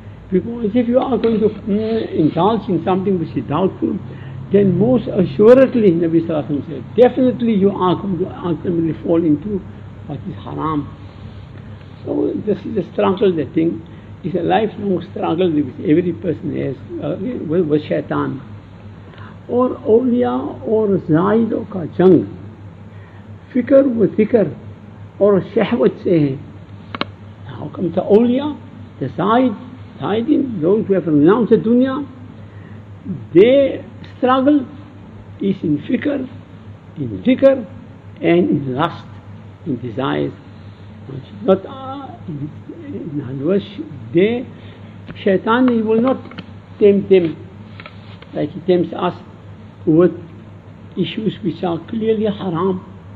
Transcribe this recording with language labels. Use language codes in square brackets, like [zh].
[en] Because if you are going to indulge in something which is doubtful, then most assuredly, Nabi Sallallahu Alaihi Wasallam said, definitely you are going to ultimately fall into what is haram. So this is a struggle, the thing. It's a lifelong struggle which every person has with shaitan. [ur] اور اولیاء اور زائدوں کا جنگ فکر و ذکر اور شہوت سے ہے. [en] How come the اولیاء, the زائدین, those who have renounced the دنیا, they struggle is in فکر, in ذکر, and in lust, in desires. But in other words, they, Shaitan, he will not tempt them like he tempts us with issues which are clearly haram.